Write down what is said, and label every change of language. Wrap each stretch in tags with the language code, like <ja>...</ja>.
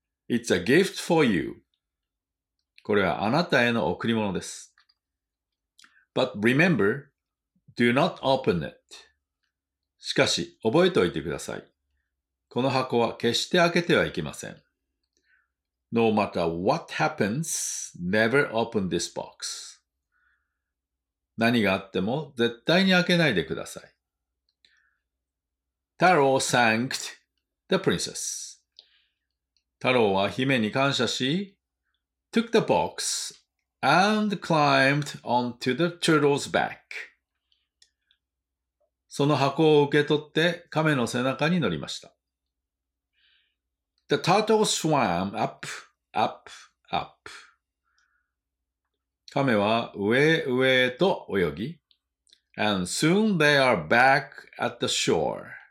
<en>It's a gift for you.</en> <ja>これはあなたへの贈り物です。</ja> <en>But remember, do not open it.</en> <ja>しかし、覚えておいてください。この箱は決して開けてはいけません。</ja> <en>No matter what happens, never open this box.</en> <ja>何があっても絶対に開けないでください。</ja> <en>Taro thanked the princess.</en> <ja>太郎は姫に感謝し、</ja> <en>took the box and climbed onto the turtle's back.</en> <ja>その箱を受け取って亀の背中に乗りました。</ja> <en>The turtle swam up, up, up.</en> <ja>亀は上へ上へと泳ぎ、</ja> <en>and soon they are back at the shore.</en>